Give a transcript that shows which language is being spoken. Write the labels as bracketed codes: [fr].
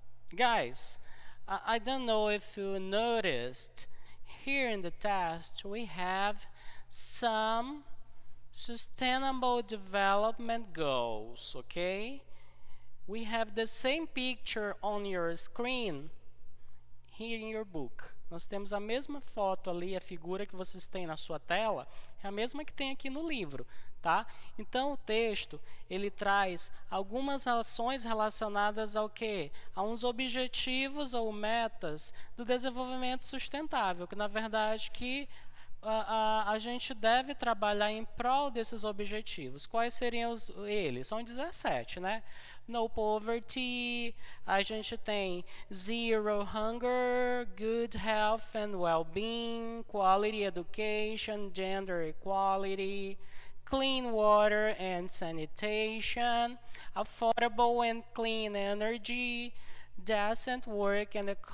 [en] Guys, I don't know if you noticed, here in the text we have some sustainable development goals, okay? We have the same picture on your screen here in your book. [pt] Nós temos a mesma foto ali, a figura que vocês têm na sua tela, é a mesma que tem aqui no livro, tá? Então, o texto, ele traz algumas ações relacionadas ao quê? A uns objetivos ou metas do desenvolvimento sustentável, que na verdade que a gente deve trabalhar em prol desses objetivos. Quais seriam eles? São 17, né? [en] No poverty, [pt] a gente tem [en] zero hunger, good health and well-being, quality education, gender equality, clean water and sanitation, affordable and clean energy, decent work and